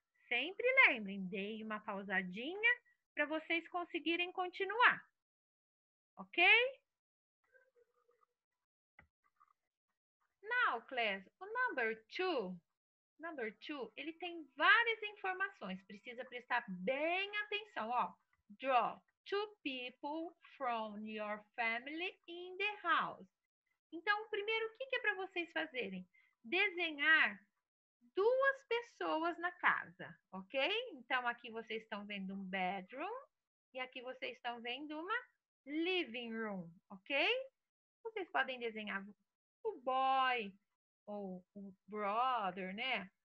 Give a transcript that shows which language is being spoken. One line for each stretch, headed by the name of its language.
Portuguese: Sempre lembrem, dei uma pausadinha para vocês conseguirem continuar. Ok?
English: Now, class, o number two. Number two,
Portuguese: ele tem várias informações. Precisa prestar bem atenção, ó.
English: Draw two people from your family in the house.
Portuguese: Então, primeiro, o que é para vocês fazerem? Desenhar duas pessoas na casa, ok? Então, aqui vocês estão vendo um bedroom e aqui vocês estão vendo uma living room, ok? Vocês podem desenhar o boy ou o brother, né?